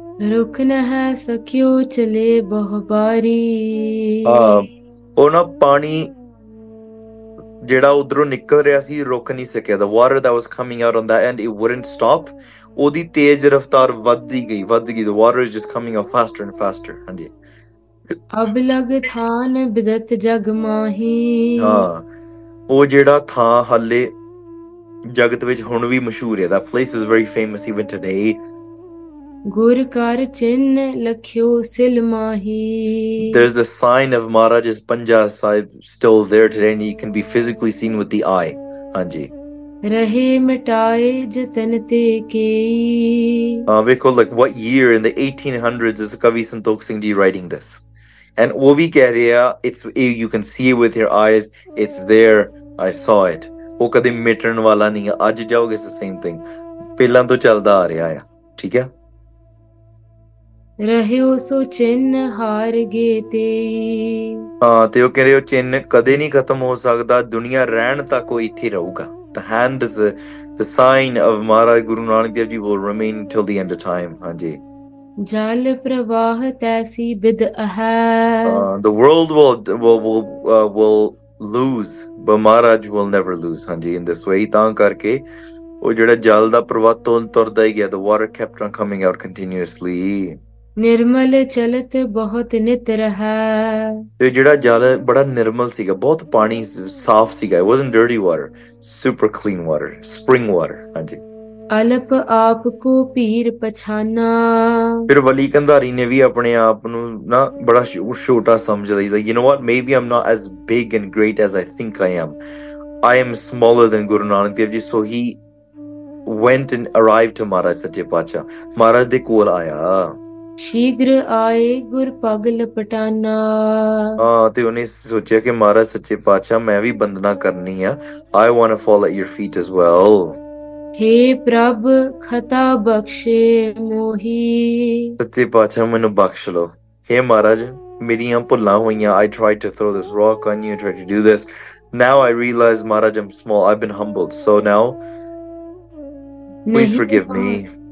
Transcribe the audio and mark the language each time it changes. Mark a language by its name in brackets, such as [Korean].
[Punjabi] ਰੁਕ ਨਾ ਸਕਿਓ ਚਲੇ ਬਹੁ ਬਾਰੀ ਉਹ ਨਾ ਪਾਣੀ ਜਿਹੜਾ ਉਧਰੋਂ ਨਿਕਲ ਰਿਹਾ ਸੀ ਰੁਕ ਨਹੀਂ ਸਕਿਆ, [English] the water that was coming out on that end, it wouldn't stop, [Punjabi] ਉਹਦੀ ਤੇਜ਼ ਰਫਤਾਰ ਵੱਧਦੀ ਗਈ, [English] the water is just coming out faster and faster. [Punjabi] ਹਾਂਜੀ, ਅਬ ਲਗ ਥਾਨ ਬਿਦਤ ਜਗ ਮਾਹੀ, ਉਹ ਜਿਹੜਾ ਥਾਂ ਹੱਲੇ ਜਗਤ ਵਿੱਚ ਹੁਣ ਵੀ ਮਸ਼ਹੂਰ ਹੈ, [English] that place is very famous even today. [Punjabi] ਗੁਰ ਕਰ ਚਿੰਨ ਲਖਿਓ ਸਿਲ ਮਾਹੀ, [English] there's the sign of Maharaj's panja sahib still there today and he can be physically seen with the eye. [Punjabi] Hanji, ਰਹੇ ਮਟਾਏ ਜਤਨ ਤੇ ਕੇਈ, [English] ਵੇਖੋ like what year in the 1800s is Kavi Santokh Singh ji writing this, and [Punjabi] ਉਹ ਵੀ ਕਹਿ ਰਿਹਾ [English] it's you can see it with your eyes, it's there, I saw it, [Punjabi] ਉਹ ਕਦੇ ਮਿਟਣ ਵਾਲਾ ਨਹੀਂ, ਅੱਜ ਜਾਓਗੇ [English] ਇਸ same thing [Punjabi] ਪਹਿਲਾਂ ਤੋਂ ਚੱਲਦਾ ਆ ਰਿਹਾ ਆ. ਠੀਕ ਹੈ, ਰਹਿਓ ਸੋ ਚਿੰਨ ਹਾਰ ਗਏ ਤੇਈ, ਹਾਂ ਤੇ ਉਹ ਕਹਿ ਰਹੇ ਹੋ ਚਿੰਨ ਕਦੇ ਨਹੀਂ ਖਤਮ ਹੋ ਸਕਦਾ, ਦੁਨੀਆਂ ਰਹਿਣ ਤੱਕ ਉਹ ਇੱਥੇ ਰਹੂਗਾ. [English] The hand is the sign of Maharaj Guru Nanak Dev Ji will remain till the end of time. [Punjabi] ਹਾਂਜੀ, ਜਲ ਪ੍ਰਵਾਹ ਤੈਸੀ ਬਿਦ ਅਹੈ, [English] the world will lose, but Maharaj will never lose. [Punjabi] ਹਾਂਜੀ, [English] in this way, [Punjabi] ਤਾਂ ਕਰਕੇ ਉਹ ਜਿਹੜਾ ਜਲ ਦਾ ਪ੍ਰਵਾਹ ਤੋਂ ਤੁਰਦਾ ਹੀ ਗਿਆ, [English] the water kept on coming out continuously. [Punjabi] ਨਿਰਮਲ ਚਲਤ ਬਹੁਤ ਨਿਤ ਰਹਾ, ਤੇ ਜਿਹੜਾ ਜਲ ਬੜਾ ਨਿਰਮਲ ਸੀਗਾ, ਬਹੁਤ ਪਾਣੀ ਸਾਫ ਸੀਗਾ, [English] it wasn't dirty water, super clean water, spring water. [Punjabi] ਹਾਂਜੀ, ਅਲਪ ਆਪ ਕੋ ਪੀਰ ਪਛਾਨਾ, ਫਿਰ ਵਲੀ ਕੰਧਾਰੀ ਨੇ ਵੀ ਆਪਣੇ ਆਪ ਨੂੰ ਨਾ ਬੜਾ ਛੋਟਾ ਸਮਝਦਾ, [English] he's like, you know what, maybe I'm not as big and great as I think I am smaller than Guru Nanak Dev Ji. So he went and arrived to Maharaj Sache Pacha, Maharaj [Punjabi] ਦੇ ਕੋਲ ਆਇਆ, ਸ਼ੀਘਰ ਆਏ ਗੁਰ ਪਗ ਲਪਟਾਨਾ, ਹਾਂ ਤੇ ਉਹਨੇ ਸੋਚਿਆ ਕਿ ਮਹਾਰਾਜ ਸੱਚੇ ਪਾਤਸ਼ਾਹ ਮੈਂ ਵੀ ਵੰਦਨਾ ਕਰਨੀ ਆ, [English] I want to follow at your feet as well, [Punjabi] ਹੇ ਪ੍ਰਭ ਖਤਾ ਬਖਸ਼ੇ ਮੋਹੀ, ਸੱਚੇ ਪਾਤਸ਼ਾਹ ਮੈਨੂੰ ਬਖਸ਼ ਲਓ, ਹੇ ਮਹਾਰਾਜ ਮੇਰੀਆਂ ਭੁੱਲਾਂ ਹੋਈਆਂ, [English] I tried to throw this rock on you, tried to do this, now I realize ਮਹਾਰਾਜ I'm small, I've been humbled, so now please forgive me,